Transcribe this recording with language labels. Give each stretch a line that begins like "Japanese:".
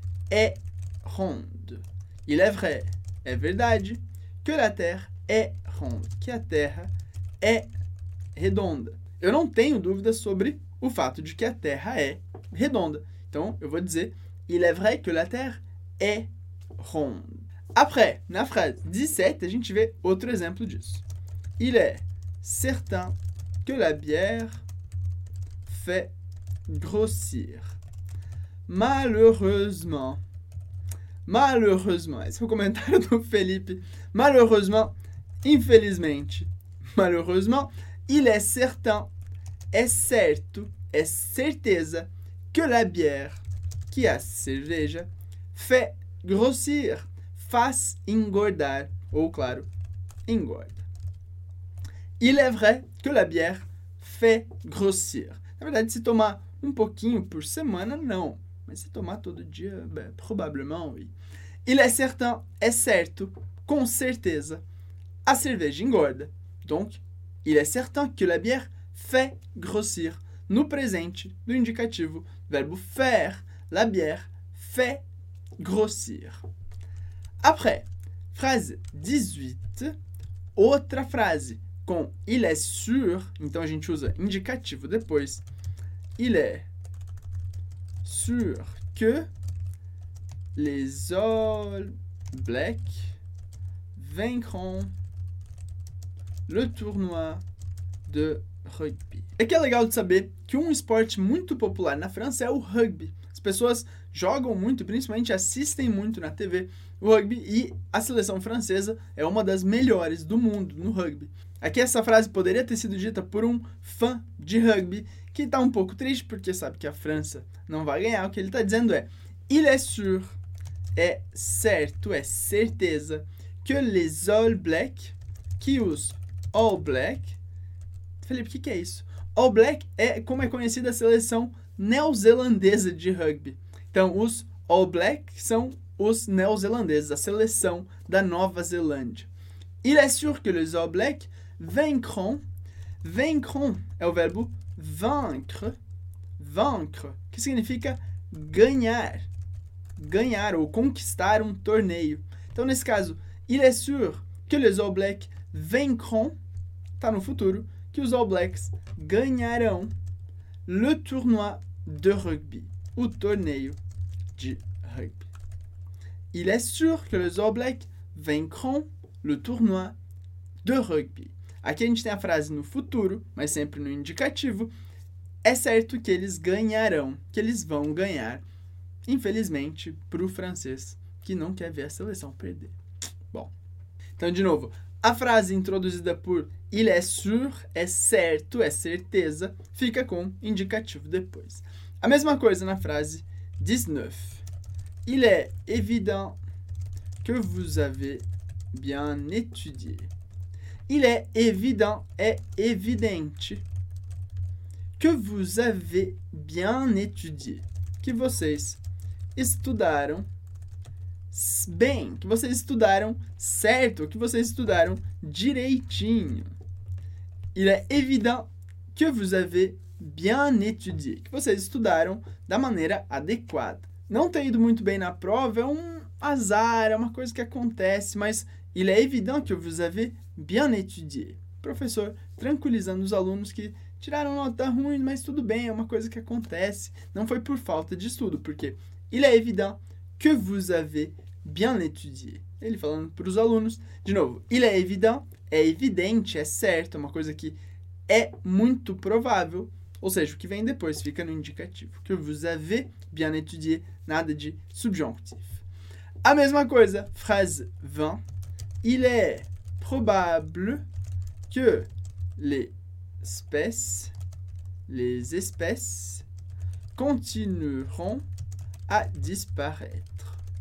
French: est ronde. Il est vrai,
Portuguese: é verdade,
French: que la Terre est ronde,
Portuguese: que a Terra é redonda. Eu não tenho dúvida sobre o fato de que a Terra é redonda. Então, eu vou dizer:
French: Il est vrai que la Terre est ronde.
Portuguese: Après, na frase 17, a gente vê outro exemplo disso.
French: Il est certain que la bière fait grossir. Malheureusement. Malheureusement.
Portuguese: Esse é o comentário do Felipe.
French: Malheureusement. Infelizmente. Malheureusement. Il est certain.
Portuguese: É certo. É certeza.
French: Que la bière.
Portuguese: Que a cerveja.
French: Fait grossir.
Portuguese: Faz engordar. Ou, claro, engorda.
French: Il est vrai que la bière fait grossir.
Portuguese: Na verdade, se tomar um pouquinho por semana, não. Mas se tomar todo dia, bem, provavelmente, oui.
French: Il est certain,
Portuguese: é certo, com certeza, a cerveja engorda.
French: Donc, il est certain que la bière fait grossir.
Portuguese: No presente do indicativo, verbo faire,
French: la bière fait grossir. Après, phrase 18,
Portuguese: outra frase com
French: il est sûr,
Portuguese: então a gente usa indicativo depois.
French: Il est sûr que les All Blacks vaincront le tournoi de rugby.
Portuguese: É que é legal de saber que um esporte muito popular na França é o rugby. As pessoas jogam muito, principalmente assistem muito na TV o rugby, e a seleção francesa é uma das melhores do mundo no rugby. Aqui essa frase poderia ter sido dita por um fã de rugby que está um pouco triste porque sabe que a França não vai ganhar. O que ele está dizendo é:
French: Il est sûr,
Portuguese: é certo, é certeza,
French: que les All Blacks,
Portuguese: que os All Blacks... Felipe, o que, que é isso? All Black é como é conhecida a seleção neozelandesa de rugby. Então, os All Blacks são os neozelandeses, a seleção da Nova Zelândia.
French: Il est sûr que les All Blacks vaincront.
Portuguese: Vaincront é o verbo vaincre. Vaincre, que significa ganhar. Ganhar ou conquistar um torneio. Então, nesse caso,
French: il est sûr que les All Blacks vaincront.
Portuguese: Está no futuro. Que os All Blacks ganharão
French: le tournoi de rugby.
Portuguese: O torneio de rugby.
French: Il est sûr que les All Blacks vaincront le tournoi de rugby.
Portuguese: Aqui a gente tem a frase no futuro, mas sempre no indicativo. É certo que eles ganharão, que eles vão ganhar, infelizmente, para o francês, que não quer ver a seleção perder. Bom, então de novo, a frase introduzida por
French: il est sûr,
Portuguese: é certo, é certeza, fica com indicativo depois. A mesma coisa na frase 19.
French: Il est évident que vous avez bien étudié. Il est évident,
Portuguese: é evidente,
French: que vous avez bien étudié.
Portuguese: Que vocês estudaram bem, que vocês estudaram certo, que vocês estudaram direitinho.
French: Il est évident que vous avez bien étudié,
Portuguese: que vocês estudaram da maneira adequada. Não ter ido muito bem na prova é um azar, é uma coisa que acontece, mas
French: il est évident que vous avez bien étudié.
Portuguese: Professor tranquilizando os alunos que tiraram nota ruim, mas tudo bem, é uma coisa que acontece. Não foi por falta de estudo, porque
French: il est évident que vous avez bien étudié.
Portuguese: Ele falando para os alunos. De novo,
French: il est évident,
Portuguese: é evidente, é certo, é uma coisa que é muito provável. Ou seja, o que vem depois fica no indicativo.
French: Que vous avez bien étudié,
Portuguese: nada de
French: subjonctif.
Portuguese: A mesma coisa,
French: phrase 20. Il est probable que les espèces continueront à disparaître.